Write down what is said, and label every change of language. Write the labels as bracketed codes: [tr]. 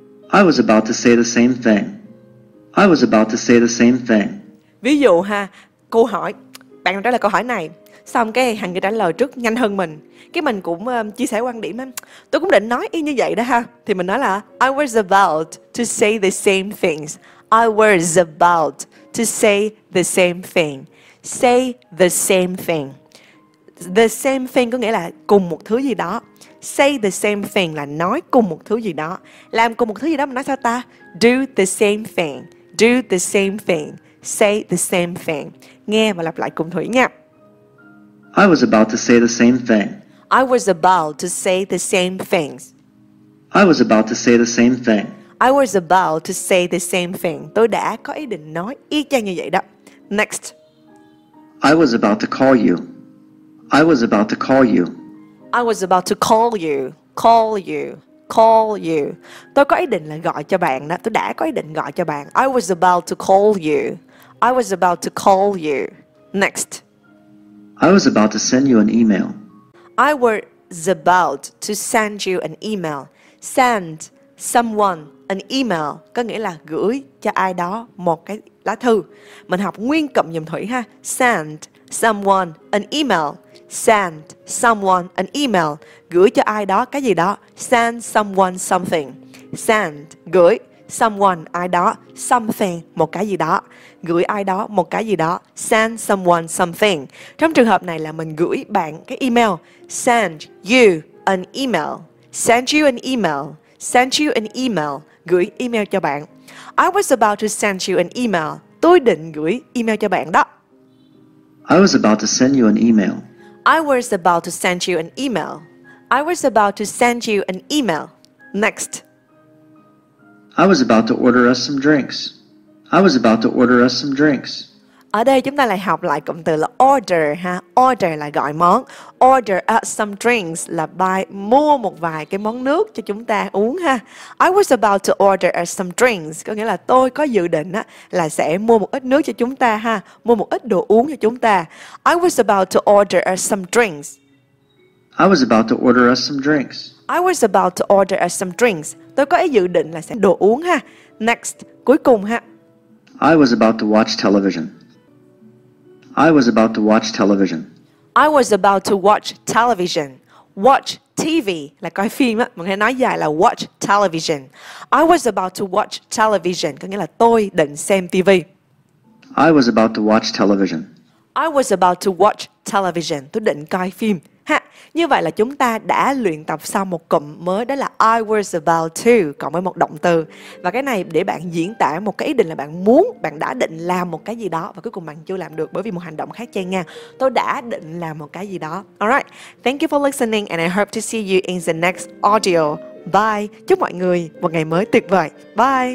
[en] I was about to say the same thing. I was about to say the same thing. [vi] Ví dụ ha, câu hỏi, bạn trả lời câu hỏi này, xong cái thằng kia trả lời trước nhanh hơn mình, cái mình cũng chia sẻ quan điểm, tôi cũng định nói y như vậy đó ha, thì mình nói là [en] I was about to say the same things. I was about to say the same thing. Say the same thing. The same thing [vi] có nghĩa là cùng một thứ gì đó. [en] Say the same thing [vi] là nói cùng một thứ gì đó. Làm cùng một thứ gì đó mà nói sao ta? [en] Do the same thing. [vi] Do the same thing. [en] Say the same thing. [vi] Nghe và lặp lại cùng Thủy nha. [en] I was about to say the same thing. I was about to say the same things. I was about to say the same thing. I was about to say the same thing. [vi] Tôi đã có ý định nói y chang như vậy đó. [en] Next. I was about to call you. I was about to call you. I was about to call you. Call you. Call you. [vi] Tôi có ý định là gọi cho bạn đó. Tôi đã có ý định gọi cho bạn. [en] I was about to call you. I was about to call you. Next. I was about to send you an email. I was about to send you an email. Send. someone an email, [vi] có nghĩa là gửi cho ai đó một cái lá thư. Mình học nguyên cụm giùm Thủy ha. [en] Send someone an email. Send someone an email. [vi] Gửi cho ai đó cái gì đó. [en] Send someone something. [vi] Send, gửi. Someone, ai đó. Something, một cái gì đó. Gửi ai đó một cái gì đó. [en] Send someone something. [vi] Trong trường hợp này là mình gửi bạn cái email. [en] Send you an email. Send you an email. Send you an email. [vi] Gửi email cho bạn. [en] I was about to send you an email. [vi] Tôi định gửi email cho bạn đó. [en] I was about to send you an email. I was about to send you an email. I was about to send you an email. Next. I was about to order us some drinks. I was about to order us some drinks. [vi] Ở đây chúng ta lại học lại cụm từ là order ha. Order là gọi món. [en] Order us some drinks [vi] là buy, mua một vài cái món nước cho chúng ta uống ha. [en] I was about to order us some drinks. [vi] Có nghĩa là tôi có dự định á, là sẽ mua một ít nước cho chúng ta ha. Mua một ít đồ uống cho chúng ta. [en] I was about to order us some drinks. I was about to order us some drinks. I was about to order us some drinks. [vi] Tôi có ý dự định là sẽ đồ uống ha. Next, cuối cùng ha. [en] I was about to watch television. I was about to watch television. I was about to watch television. Watch TV [vi] là coi phim á, mình hay nói dài là [en] watch television. I was about to watch television [vi] có nghĩa là tôi định xem TV. [en] I was about to watch television. I was about to watch television. [vi] Tôi định coi phim. Ha, như vậy là chúng ta đã luyện tập xong một cụm mới, đó là [en] I was about to [vi] cộng với một động từ. Và cái này để bạn diễn tả một cái ý định là bạn muốn, bạn đã định làm một cái gì đó và cuối cùng bạn chưa làm được bởi vì một hành động khác chen ngang. Tôi đã định làm một cái gì đó. [en] Alright, thank you for listening and I hope to see you in the next audio. Bye, [vi] chúc mọi người một ngày mới tuyệt vời. [en] Bye.